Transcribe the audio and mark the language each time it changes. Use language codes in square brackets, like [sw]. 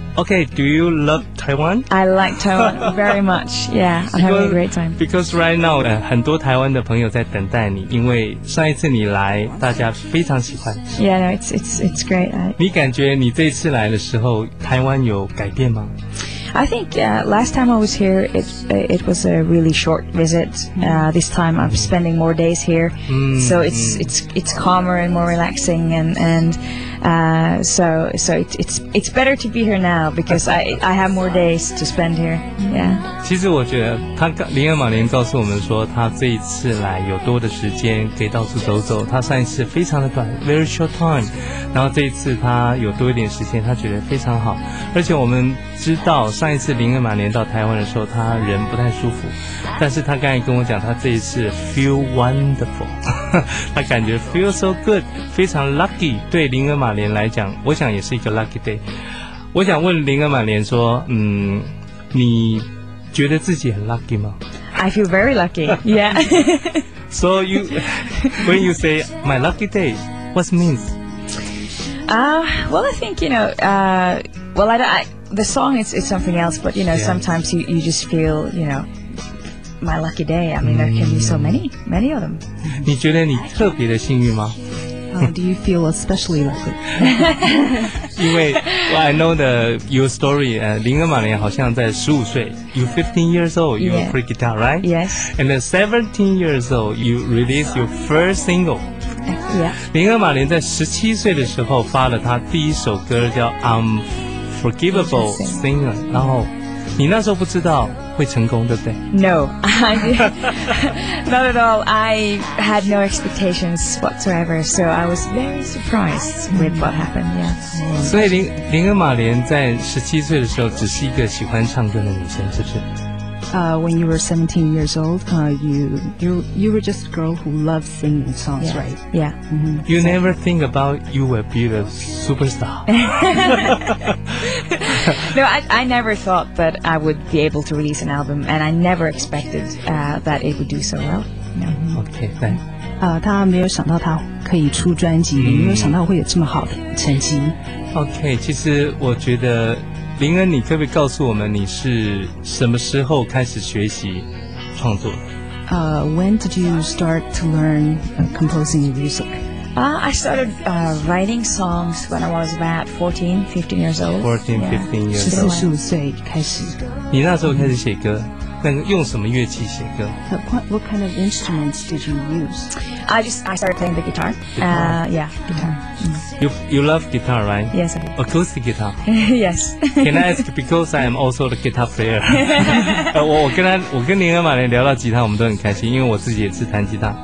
[en] Okay. Do you love Taiwan? I like Taiwan very much. Yeah, I'm having a great time. Because right now, [zh] 很多台湾的朋友在等待你，因为上一次你来，大家非常喜欢。 [en] Yeah, no, it's great. [zh] 你感觉你这次来的时候，台湾有改变吗？ [en] I think、last time I was here, it was a really short visit.、This time I'm spending more days here,、so it's calmer and more relaxing, and So it's better to be here now because I have more days to spend here. Yeah. [zh] 其实我觉得他林恩玛琳告诉我们说，他这一次来有多的时间可以到处走走。他上一次非常的短 ， [en] very short time， [zh] 然后这一次他有多一点时间，他觉得非常好。而且我们知道上一次林恩玛琳到台湾的时候，他人不太舒服，但是他刚才跟我讲，他这一次 [en] feel wonderful， [zh] 他感觉 [en] feel so good， [zh] 非常 lucky。对林恩玛琳来讲，我想也是一个 lucky day。我想问林恩玛琳说，你觉得自己很 lucky 吗？ [en] I feel very lucky. Yeah. So you, when you say my lucky day, what means? Well, I think, you know, the song is something else, but you know, yeah. Sometimes you just feel, you know, my lucky day. I mean, there can be so many of them. [zh] 你觉得你特别的幸运吗？ [en] Do you feel especially lucky? 因为 I know the your story. [zh] 林恩玛琳好像在十五岁 [en] ，you 15 years old, you play guitar, right? Yes. And then 17 years old, you release your first single. Yeah. [zh] 林恩玛琳在十七岁的时候发了她第一首歌叫 Unforgivable Singer. 然后你那时候不知道会成功，对不对 [en] ？No, not at all. I had no expectations whatsoever, so I was very surprised with what happened. Yeah. [zh] 所以林恩玛莲在十七岁的时候只是一个喜欢唱歌的女生，是不是？ [en] When you were 17 years old, you were just a girl who loved singing songs, yeah. right? Yeah. Mm-hmm. You never think about you will be the superstar. No, I never thought that I would be able to release an album, and I never expected that it would do so well. No. Mm-hmm. Okay, thank you. [zh] 他没有想到他可以出专辑，没有想到会有这么好的成绩。 OK， 其实我觉得林恩，你可不可以告诉我们你是什么时候开始学习创作？ [en] When did you start to learn composing music? I started writing songs when I was about 14, 15 years old. 14, 15 years old. [zh] 十五岁开始。你那时候开始写歌？用什么乐器写歌？ [en] What kind of instruments did you use? I started playing the guitar. Guitar. You love guitar, right? Yes, I do. Acoustic guitar? Yes. Can I ask, because I am also the guitar player. [zh] 我跟林恩玛莲聊到吉他，我们都很开心，因为我自己也是弹吉他。